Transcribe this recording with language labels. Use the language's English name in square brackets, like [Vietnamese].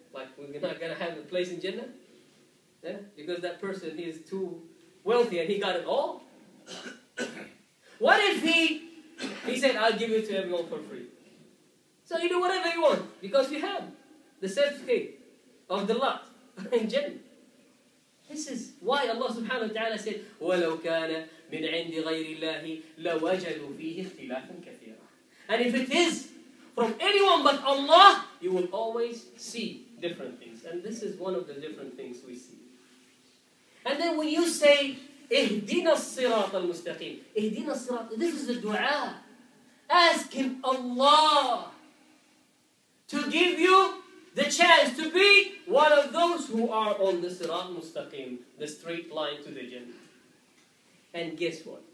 [English] Like, we're not going to have a place in Jannah? Yeah? Because that person is too wealthy and he got it all? What if he said, I'll give it to everyone for free. So you do whatever you want because you have the certificate of the lot in Jannah. This is why Allah subhanahu wa ta'ala said, [Arabic] وَلَوْ كَانَ مِنْ عِنْدِ غَيْرِ اللَّهِ لَوَجَدُوا فِيهِ اخْتِلَافًا كَثِيرًا. [English] And if it is from anyone but Allah, you will always see different things. And this is one of the different things we see. And then when you say, [Arabic] اِهْدِنَا الصِّرَاطَ الْمُسْتَقِيمِ, اِهْدِنَا الصِّرَاطَ, [English] this is a dua. Ask him Allah to give you the chance to be one of those who are on the Sirat Mustaqim, the straight line to the Jannah. And guess what?